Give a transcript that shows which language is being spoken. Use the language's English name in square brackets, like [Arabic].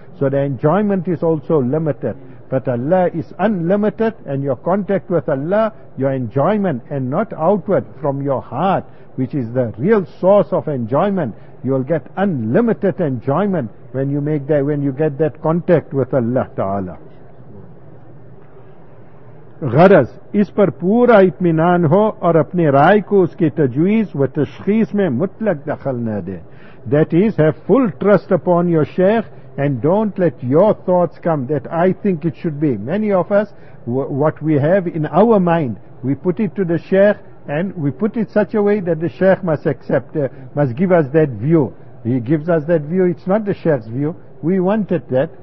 [English] So the enjoyment is also limited. But Allah is unlimited, and your contact with Allah, your enjoyment, and not outward from your heart, which is the real source of enjoyment, you will get unlimited enjoyment when you get that contact with Allah Ta'ala. [Urdu] غرض اس پر پورا اطمینان ہو اور اپنے رائے کو اس کے تجویز و تشخیص میں مطلق دخل نہ دے. [English] That is, have full trust upon your sheikh And don't let your thoughts come that I think it should be. Many of us, what we have in our mind, we put it to the Sheikh, and we put it such a way that the Sheikh must accept, must give us that view. He gives us that view, it's not the Sheikh's view. We wanted that.